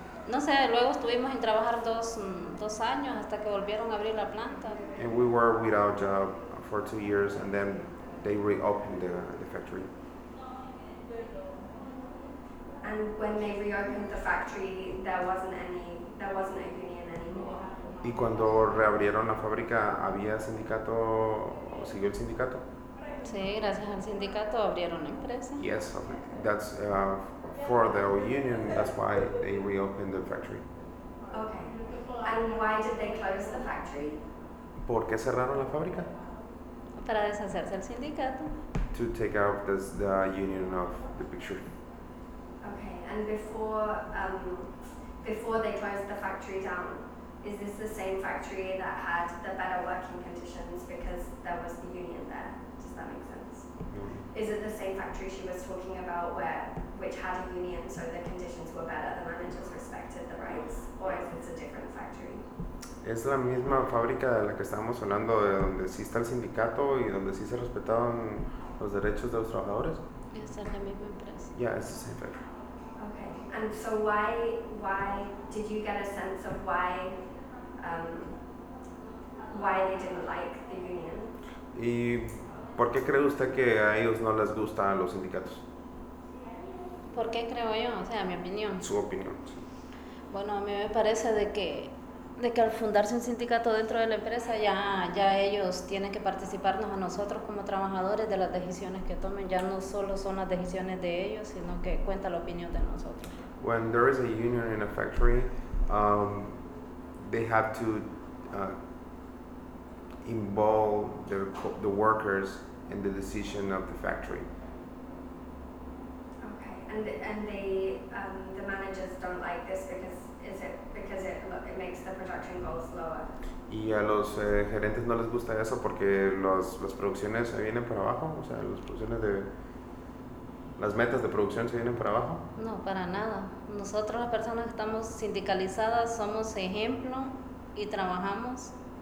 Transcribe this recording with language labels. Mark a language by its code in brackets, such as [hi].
[es] No sé, luego estuvimos en trabajar dos años hasta que volvieron a abrir la planta. [en] And we were without job for 2 years and then they reopened the factory. And when they reopened the factory, there wasn't a union anymore. [es] ¿Y cuando reabrieron la fábrica, había sindicato o siguió el sindicato? Sí, gracias al sindicato abrieron la empresa. [en] Yes, okay. That's for the union, that's why they reopened the factory. Okay. And why did they close the factory? [es] ¿Por qué cerraron la fábrica? Para deshacerse del sindicato. [en] To take out the union of the picture. Okay. And before they closed the factory down, is this the same factory that had the better working conditions because there was the union there? Does that make sense? Mm-hmm. Is it the same factory she was talking about which had a union so the conditions were better, the managers respected the rights, or if it's a different factory? [es] Es la misma fábrica de la que estábamos hablando, de donde sí está el sindicato y donde sí se respetaban los derechos de los trabajadores. Es la misma empresa. [en] Yeah, it's the same factory. Okay. And so why did you get a sense of why they didn't like the union? [es] ¿Y por qué cree usted que a ellos no les gustan los sindicatos? ¿Por qué creo yo? O sea, mi opinión. Su opinión. Bueno, a mí me parece de que al fundarse un sindicato dentro de la empresa ya ellos tienen que participarnos a nosotros como trabajadores de las decisiones que tomen, ya no solo son las decisiones de ellos, sino que cuenta la opinión de nosotros. [en] When there is a union in a factory, they have to involve the workers in the decision of the factory. And the managers don't like this because it makes the production go slower. [es] Y a los gerentes no les gusta eso porque las producciones se vienen para abajo, o sea, las producciones de las metas de producción se vienen para abajo. No, para nada. Nosotros las personas que estamos sindicalizadas somos ejemplo y trabajamos.